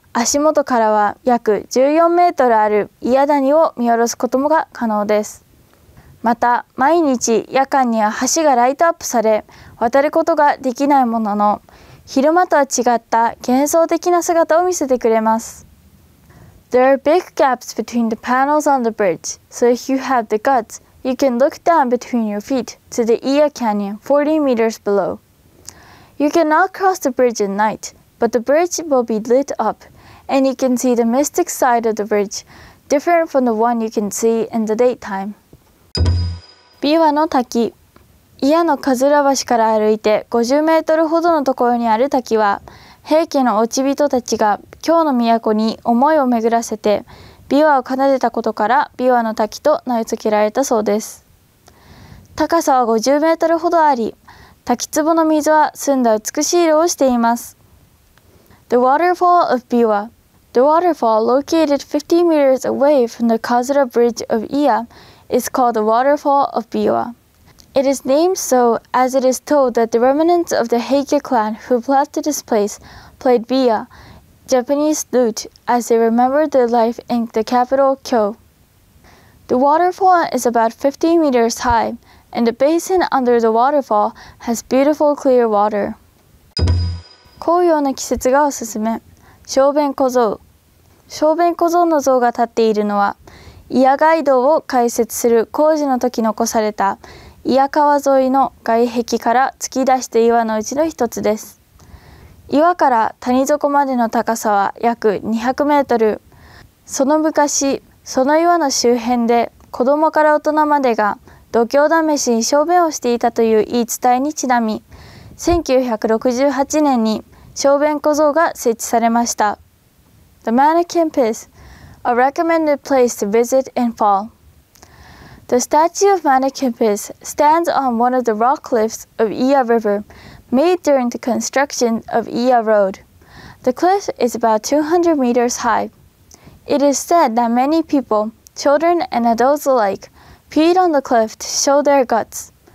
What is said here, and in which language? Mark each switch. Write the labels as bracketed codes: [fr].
[ja] 足元からは約14メートルある祖谷谷を見下ろすことも可能です。また毎日夜間には橋がライトアップされ渡ることができないものの、昼間とは違った幻想的な姿を見せてくれます。 [en] There are big gaps between the panels on the bridge, so if you have the guts, you can look down between your feet to the 祖谷 canyon 40 meters below. You cannot cross the bridge at night, but the bridge will be lit up, and you can see the mystic side of the bridge, different from the one you can see in the daytime. [ja] 琵琶の滝。祖谷のかずら橋から歩いて50メートルほどのところにある滝は、平家の落ち人たちが京の都に思いを巡らせて琵琶を奏でたことから琵琶の滝と名付けられたそうです。高さは50メートルほどあり、滝壺の水は澄んだ美しい色をしています。 [en] The waterfall of Biwa. The waterfall located 50 meters away from the Kazura Bridge of Iya is called the waterfall of Biwa. It is named so as it is told that the remnants of the Heike clan who planted this place played Biwa, Japanese lute, as they remembered their life in the capital Kyo. The waterfall is about 50 meters high,And the basin under the waterfall has beautiful clear water. [ja] 紅葉の季節がおすすめ。小便小僧。小便小僧の像が立っているのは、祖谷街道を開設する工事の時残された祖谷川沿いの外壁から突き出した岩のうちの一つです。岩から谷底までの高さは約200メートル。その昔、その岩の周辺で子供から大人までが度胸試しに小便をしていたという言い伝えにちなみ、1968年に小便小僧が設置されました。 [en] The mannequin piss, a recommended place to visit in fall. The statue of mannequin piss stands on one of the rock cliffs of Iya River, made during the construction of Iya Road. The cliff is about 200 meters high. It is said that many people, children and adults alike,peed on the cliff to show their guts.